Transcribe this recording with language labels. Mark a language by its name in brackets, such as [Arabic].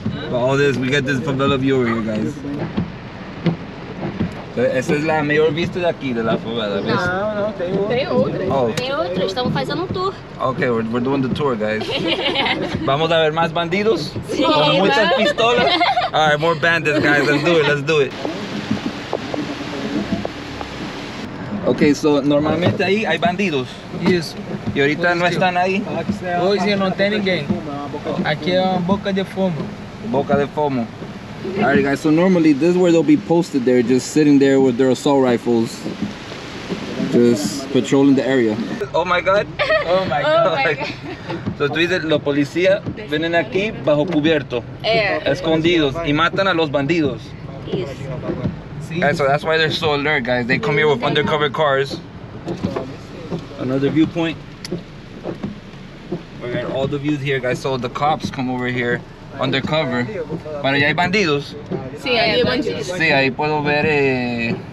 [English] But all this, we get this favela view over here, guys. [Portuguese] Essa é a melhor vista daqui, da favela. Não, tem outra. Oh. Tem outra, estamos fazendo um tour. [English] Okay, we're doing the tour, guys. [Portuguese] Vamos a ver mais bandidos? Sim. Com muitas pistolas? [English] Alright, more bandits, guys. Let's do it. [Portuguese] Okay, so normalmente aí há bandidos. Isso. E ahorita não estão aí? Hoje não tem ninguém. Aqui é uma boca de fumo. Boca de fumo. [English] Alright, guys, so normally this is where they'll be posted there, just sitting there with their assault rifles, just patrolling the area. Oh my god! Oh my god! Oh my god. [Spanish] So, tú dices, los policías vienen aquí bajo cubierto, escondidos, y matan a los bandidos. [English] Yes. Right, so, that's why they're so alert, guys. They come here with undercover cars. Another viewpoint. We got all the views here, guys. So, the cops come over here. Undercover. But [Spanish] hay bandidos. Sí, hay bandidos. Sí, ahí puedo ver.